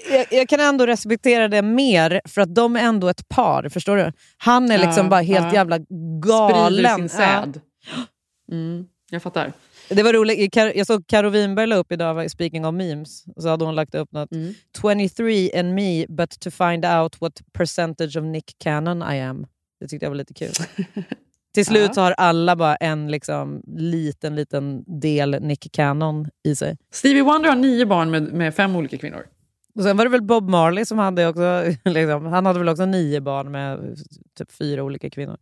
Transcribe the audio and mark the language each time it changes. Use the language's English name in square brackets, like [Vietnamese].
[Swedish] Jag kan ändå respektera det mer, för att de är ändå ett par, förstår du? Han är liksom bara helt jävla galen. Sprider sin säd. Mm, jag fattar. Det var roligt. Jag såg Karo Winberg la upp idag, [English] speaking of memes. [Swedish] Så hade hon lagt upp något. [English] 23 and me, but to find out what percentage of Nick Cannon I am. [Swedish] Det tyckte jag var lite kul. Till slut så har alla bara en liksom, liten del Nick Cannon i sig. Stevie Wonder har 9 barn med 5 olika kvinnor. Och sen var det väl Bob Marley som hade också, liksom, han hade väl också 9 barn med typ 4 olika kvinnor.